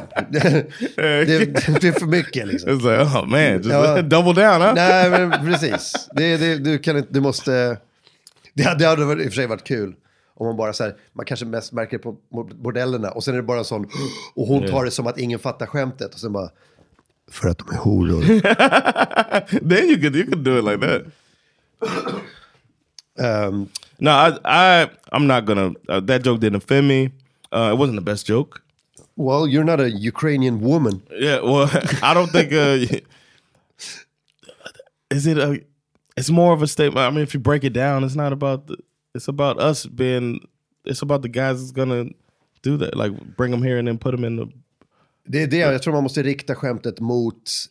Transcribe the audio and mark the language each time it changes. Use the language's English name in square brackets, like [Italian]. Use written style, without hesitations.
[Swedish] Det är för mycket liksom. [English] It's like, oh man, just double down, huh? [Swedish] Nej, men precis. Du måste... Det hade i och för sig varit kul. Om man bara så här, man kanske mest märker på bordellerna. Och sen är det bara sån... Och hon tar det som att ingen fattar skämtet. Och sen bara... För att de är horor. [English] Then you could do it like that. No, I'm not gonna. That joke didn't offend me. It wasn't the best joke. Well, you're not a Ukrainian woman. Yeah. Well, I don't think. It's more of a statement. I mean, if you break it down, it's not about. It's about us being. It's about the guys that's gonna do that. Like bring them here and then put them in the. [Swedish] Det är det. Jag tror man måste rikta skämtet mot.